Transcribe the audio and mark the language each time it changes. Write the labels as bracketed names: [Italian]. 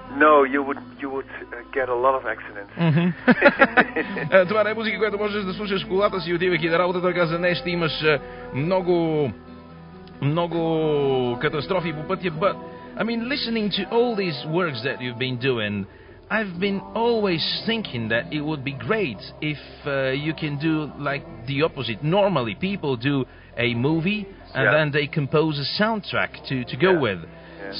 [English] No, you would get a lot of accidents. [Bulgarian] Това не е музика, която можеш да слушаш в колата си, отивайки на работа. Той каза, не, ще имаш много, много катастрофи по пътя. [English] But, I mean, listening to all these works that you've been doing, I've been always thinking that it would be great if you can do like the opposite. Normally, people do a movie and then they compose a soundtrack to go with. Yeah.